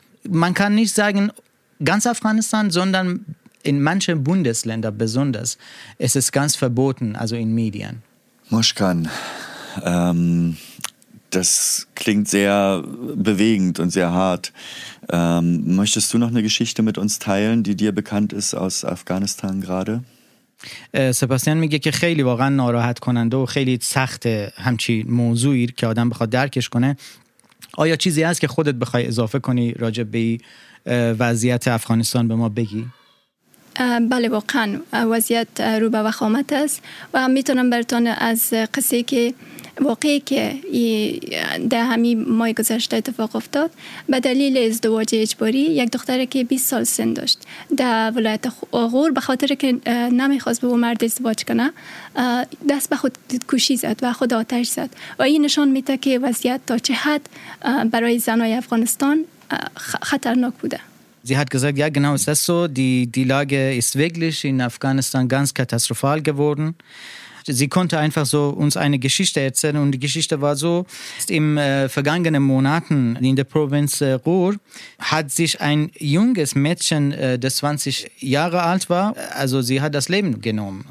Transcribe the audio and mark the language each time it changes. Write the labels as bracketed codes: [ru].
[de] Man kann nicht sagen, ganz Afghanistan, sondern in manchen Bundesländern besonders. Es ist ganz verboten, also in Medien. Mushkan, das klingt sehr bewegend und sehr hart. Möchtest du noch eine Geschichte mit uns teilen, die dir bekannt ist aus Afghanistan gerade? [fa] سپاسیان میگه که خیلی واقعا ناراحت کننده و خیلی سخت همچی موضوعی که آدم بخواد درکش کنه. آیا چیزی هست که خودت بخوای اضافه کنی راجع به وضعیت افغانستان به ما بگی؟ بله واقعا وضعیت رو به وخامت است و میتونم برتون از قصه که واقعی که در همی ماه گذشته اتفاق افتاد به دلیل ازدواج اجباری یک دختر که 20 سال سن داشت در ولایت غور به خاطر که نمیخواست به مرد ازدواج کنه دست به خود کشی زد و خود آتش زد و این نشان میده که وضعیت تا چه حد برای زنای افغانستان خطرناک بوده. [de] Sie hat gesagt, ja genau, es ist so, die Lage ist wirklich in Afghanistan ganz katastrophal geworden. Sie konnte einfach so uns eine Geschichte erzählen und die Geschichte war so, im vergangenen Monaten in der Provinz Ruhr hat sich ein junges Mädchen, das 20 Jahre alt war, also sie hat das Leben genommen.